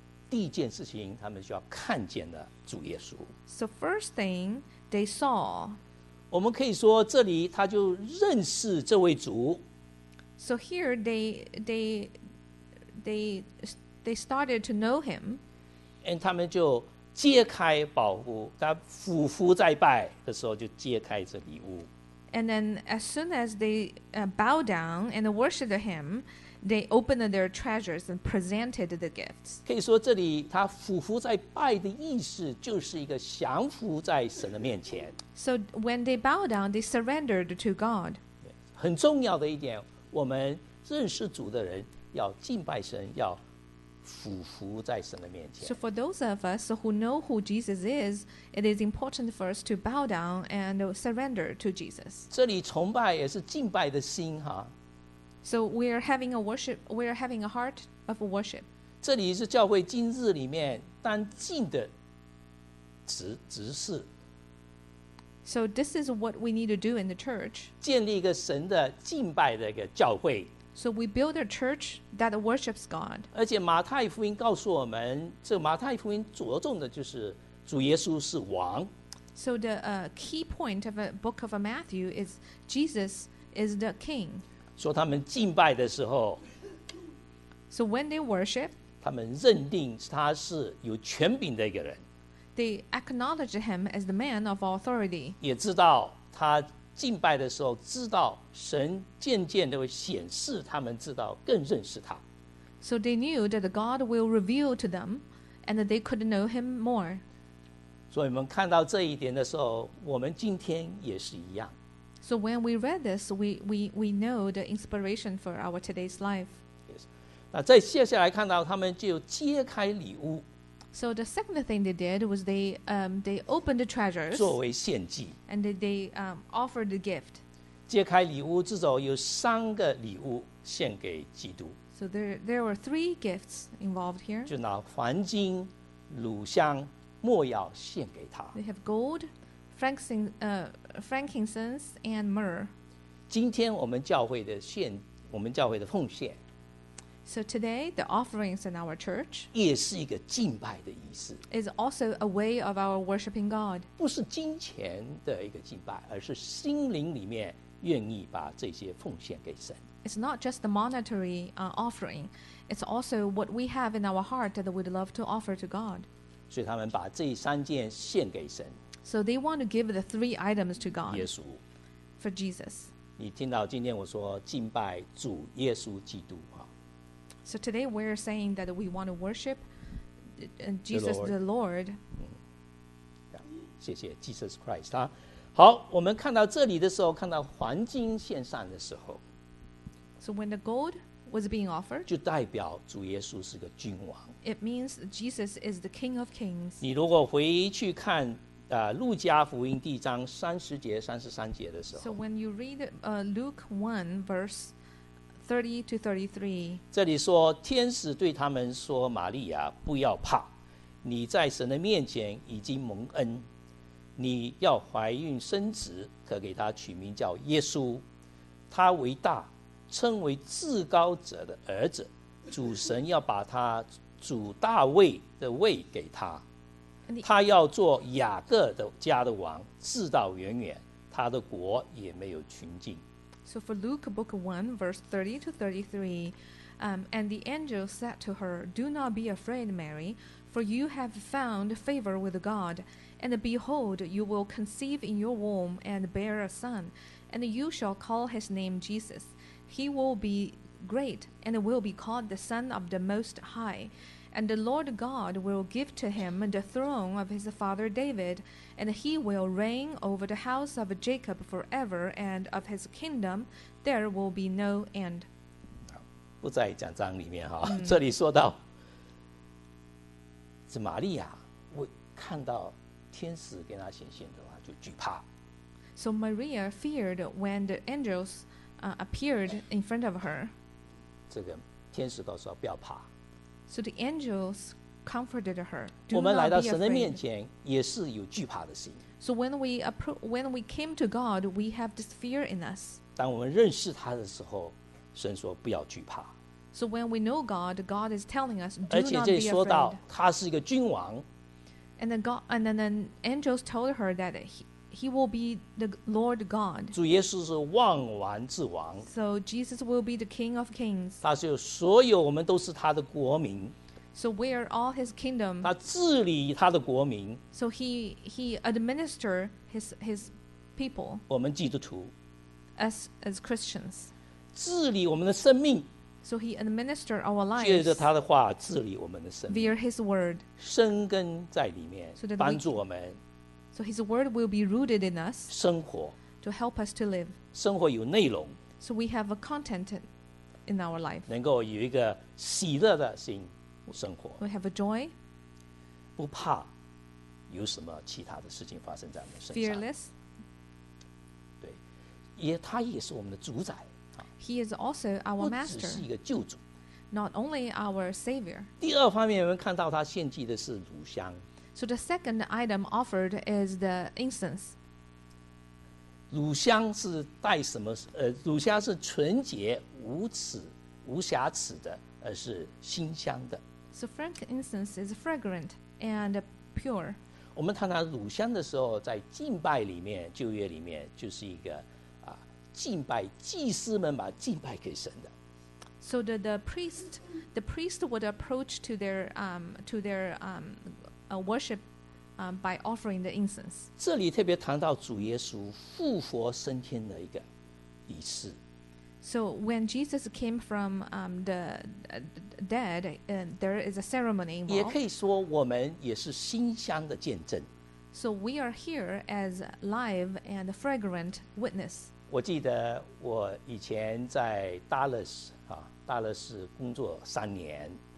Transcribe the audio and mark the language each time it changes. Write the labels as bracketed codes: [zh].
[zh] 第一件事情，他们就要看见的主耶稣。 [en] So first thing they saw. [zh] 我们可以说这里他就认识这位主。 [en] So here they started to know him. And [zh] 他们就揭开宝物，他俯伏在拜的时候就揭开这礼物。 [en] And then as soon as they bow down and worshiped him, they opened their treasures and presented the gifts. [zh] 可以说这里他俯伏在拜的意思就是一个降服在神的面前。 [en] So when they bow down, they surrendered to God. [zh] 很重要的一点，我们认识主的人要敬拜神，要俯伏在神的面前。 [en] So for those of us who know who Jesus is, it is important for us to bow down and surrender to Jesus. [zh] 这里崇拜也是敬拜的心哈。 [en] So we are having a worship, we are having a heart of worship. [zh] 这里是教会今日里面当敬的职事。 [en] So this is what we need to do in the church. [zh] 建立一个神的敬拜的一个教会。 [en] So we build a church that worships God. [zh] 而且马太福音告诉我们，这马太福音着重的就是主耶稣是王。 [en] So the key point of a book of Matthew is Jesus is the king. [zh] 说他们敬拜的时候 [en] ，So when they worship, [zh] 他们认定他是有权柄的一个人。 They acknowledge him as the man of authority. 也知道他。敬拜的时候知道神渐渐的会显示他们知道更认识他。 [en] So they knew that God will reveal to them and that they could know him more. [zh] 所以我们看到这一点的时候我们今天也是一样。 [en] So when we read this, we know the inspiration for our today's life. Yes. [zh] 那再接下来看到他们就揭开礼物。 [en] So the second thing they did was they opened the treasures [zh] 作为献祭 [en] and they offered the gift. [zh] 揭开礼物之后有三个礼物献给基督。 [en] So there were three gifts involved here. [zh] 就拿黄金、乳香、没药献给他。 [en] They have gold, frankincense, and myrrh. [zh] 今天我们教会的献，我们教会的奉献。 [en] So today, the offerings in our church [zh] 也是一个敬拜的仪式 [en] is also a way of our worshiping God. [zh] 不是金钱的一个敬拜，而是心灵里面愿意把这些奉献给神。 [en] It's not just the monetary offering. It's also what we have in our heart that we'd love to offer to God. [zh] 所以他们把这三件献给神。 [en] So they want to give the three items to God. [zh] 耶稣 [en] For Jesus. [zh] 你听到今天我说敬拜主耶稣基督 [en] So today we're saying that we want to worship Jesus the Lord. [zh] 谢谢 Jesus Christ. 好，我们看到这里的时候，看到黄金献上的时候。 [en] So when the gold was being offered, [zh] 就代表主耶稣是个君王。 [en] It means Jesus is the King of Kings. [zh] 你如果回去看路加福音第一章三十节、三十三节的时候。 [en] So when you read Luke 1 verse 30 to 33. [zh] 这里说天使对他们说玛利亚不要怕你在神的面前已经蒙恩你要怀孕生子可给他取名叫耶稣他为大称为至高者的儿子主神要把他主大卫的位给他他要做雅各的家的王直到永远他的国也没有穷尽 [en] So for Luke book 1, verse 30 to 33, and the angel said to her, "Do not be afraid, Mary, for you have found favor with God. And behold, you will conceive in your womb and bear a son, and you shall call his name Jesus. He will be great and will be called the Son of the Most High. And the Lord God will give to him the throne of his father David, and he will reign over the house of Jacob forever, and of his kingdom there will be no end." [zh] 不在讲章里面，这里说到是玛利亚看到天使给她显现的话就惧怕。 [en] So Maria feared when the angels appeared in front of her. [zh] 这个天使告诉她不要怕。 [en] So the angels comforted her. [zh] 我们来到神的面前也是有惧怕的心。 [en] So when we came to God, we have this fear in us. [zh] 当我们认识他的时候，神说不要惧怕。 [en] So when we know God, God is telling us, do not be afraid. [zh] 而且这里说到他是一个君王。 [en] And then the angels told her that he will be the Lord God. [zh] 主耶稣是万王之王。 [en] So Jesus will be the King of Kings. [zh] 他是有所有我们都是他的国民。 [en] So we are all his kingdom. [zh] 他治理他的国民。 [en] So he administer his people. [zh] 我们基督徒。 [en] As Christians. [zh] 治理我们的生命。 [en] So he administer our lives. [zh] 借着他的话治理我们的生命。 [en] Via his word. [zh] 生根在里面，帮助我们。 [en] So his word will be rooted in us [zh] 生活, [en] to help us to live. [zh] 生活有内容, [en] so we have a content in our life. [zh] 能够有一个喜乐的心生活, [en] we have a joy. [zh] 不怕有什么其他的事情发生在我们身上, [en] fearless. [zh] 对, 也, 他也是我们的主宰, [en] he is also our master. [zh] 不只是一个救主, [en] not only our savior. [zh] 第二方面我们看到他献祭的是乳香。 [en] So the second item offered is the incense. [zh] 乳香是带什么？乳香是纯洁、无耻、无瑕疵的，而是馨香的。 [en] So frankincense is fragrant and pure. [zh] 我们谈乳香的时候，在敬拜里面，旧约里面就是一个敬拜祭司们把敬拜给神的。 [en] So the priest would approach to their worship by offering the incense. [zh] 这里特别谈到主耶稣复活升天的一个仪式。 [en] So when Jesus came from the dead, there is a ceremony involved. [zh] 也可以说我们也是馨香的见证。 [en] So we are here as live and fragrant witness. [zh] 我记得我以前在 Dallas, 大勒斯工作三年。